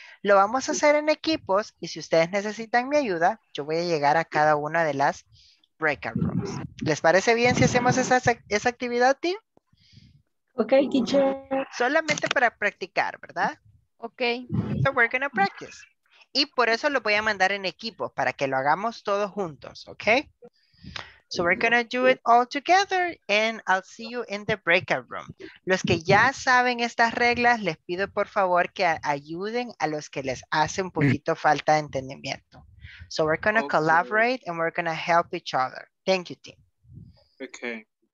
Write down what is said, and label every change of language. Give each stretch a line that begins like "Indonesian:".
Spanish: Lo vamos a hacer en equipos y si ustedes necesitan mi ayuda, yo voy a llegar a cada una de las breakout rooms. ¿Les parece bien si hacemos esa actividad, tío?
English: Ok, teacher.
Spanish: Solamente para practicar, ¿verdad?
English: Ok. So we're gonna practice.
Spanish: Y por eso lo voy a mandar en equipo, para que lo hagamos todos juntos, ¿ok?
English: So we're gonna do it all together and I'll see you in the breakout room.
Spanish: Los que ya saben estas reglas, les pido por favor que ayuden a los que les hace un poquito falta de entendimiento.
English: So we're gonna collaborate and we're gonna help each other. Thank you, team. Okay.